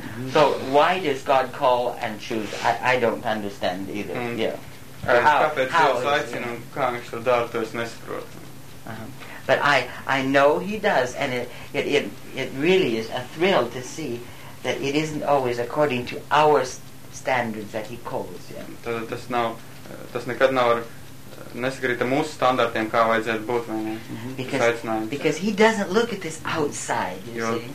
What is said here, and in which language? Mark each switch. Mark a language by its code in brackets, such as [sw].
[en] So, why does God call and choose? I don't understand either. Yeah. [lv] Kāpēc Dievs aicina un kā viņš to dara, to es nesaprotu. [en] But I know he does, and it really is a thrill to see that it isn't always according to our standards that he calls. Yeah. [lv] Tas nekad nav nesakrīt ar mūsu standartiem, kā vajadzētu būt, vai ne? [en] Because he doesn't look at this outside, you see.